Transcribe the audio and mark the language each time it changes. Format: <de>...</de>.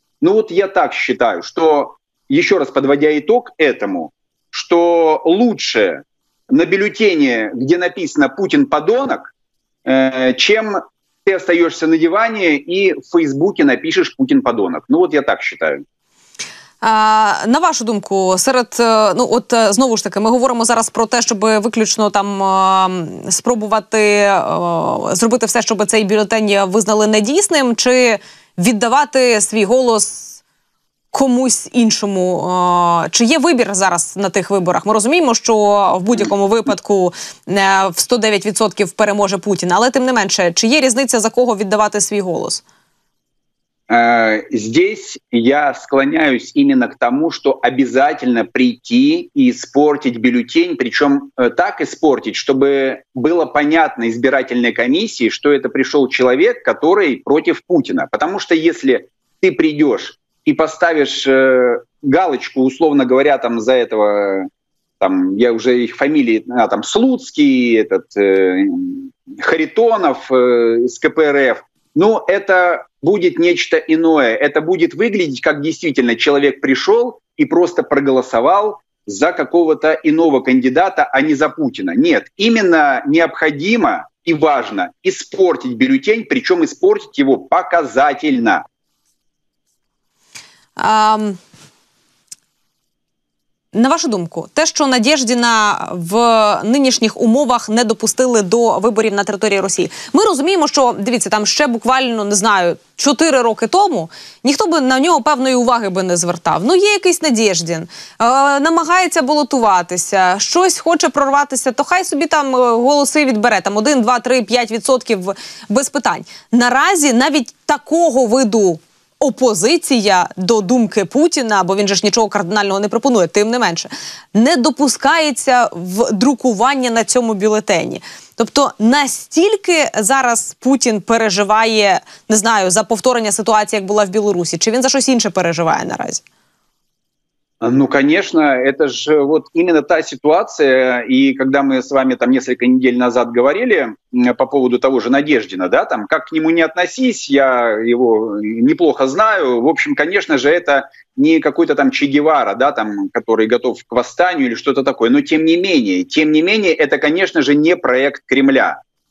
<ru>Ну вот я так считаю, что, еще раз подводя итог этому, что лучше на бюллетене, где написано «Путин подонок», чем ты остаешься на диване и в Фейсбуке напишешь «Путин подонок». Ну вот я так считаю.</ru> <uk>На вашу думку, серед, ну от знову ж таки, ми говоримо зараз про те, щоб виключно там спробувати зробити все, щоб цей бюлетень визнали недійсним, чи віддавати свій голос комусь іншому? Чи є вибір зараз на тих виборах? Ми розуміємо, що в будь-якому випадку в 109% переможе Путін, але тим не менше, чи є різниця, за кого віддавати свій голос?</uk> <ru>Здесь я склоняюсь именно к тому, что обязательно прийти и испортить бюллетень, причем так испортить, чтобы было понятно избирательной комиссии, что это пришел человек, который против Путина. Потому что если ты придешь и поставишь галочку, условно говоря, там за этого, там, я уже их фамилии, там Слуцкий, этот Харитонов из КПРФ, ну, это будет нечто иное. Это будет выглядеть, как действительно человек пришел и просто проголосовал за какого-то иного кандидата, а не за Путина. Нет, именно необходимо и важно испортить бюллетень, причем испортить его показательно.</ru> <uk>На вашу думку, те, що Надєждіна в нинішніх умовах не допустили до виборів на території Росії. Ми розуміємо, що, дивіться, там ще буквально, не знаю, 4 роки тому ніхто би на нього певної уваги би не звертав. Ну, є якийсь Надєждін, намагається балотуватися, щось хоче прорватися, то хай собі там голоси відбере, там 1, 2, 3, 5% без питань. Наразі навіть такого виду опозиція до думки Путіна, бо він же ж нічого кардинального не пропонує, тим не менше, не допускається в друкування на цьому бюлетені. Тобто настільки зараз Путін переживає, не знаю, за повторення ситуації, як була в Білорусі, чи він за щось інше переживає наразі?</uk> <ru>Ну, конечно, это ж вот именно</ru> <uk>та ситуація, і коли ми з вами</uk> <ru>там несколько недель назад говорили по поводу того же Надєждіна, да, там, как к нему не относись, я его неплохо знаю. В общем, конечно же, это не какой-то там Че Гевара, да, там, который готов к восстанию или что-то такое, но тем не менее, это, конечно же, не проект Кремля.</ru>